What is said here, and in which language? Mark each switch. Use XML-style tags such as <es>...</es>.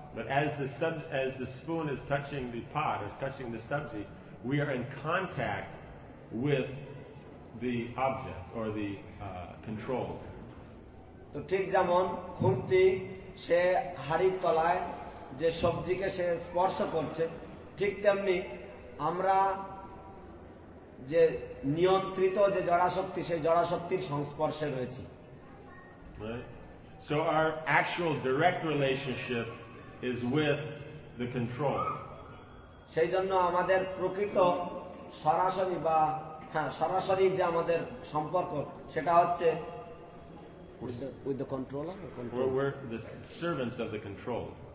<en>But as the spoon is touching the pot, or is touching the sabji, we are in contact with the object, or the control.</en> <bn>So, ঠিক যেমন খুন্তি সে হাড়ির তলায় যে সবজিকে সে স্পর্শ করছে, ঠিক তেমনি আমরা যে নিয়ন্ত্রিত যে জড়াশক্তি সেই জড়াশক্তির সংস্পর্শে রয়েছে.</bn> <en>Right? So our actual direct relationship is with the control.</en> <bn>সেই জন্য আমাদের প্রকৃত সরাসরি বা সরাসরি যে আমাদের সম্পর্ক সেটা হচ্ছে</bn> <en>with the controller. We're the servants of the control.</en>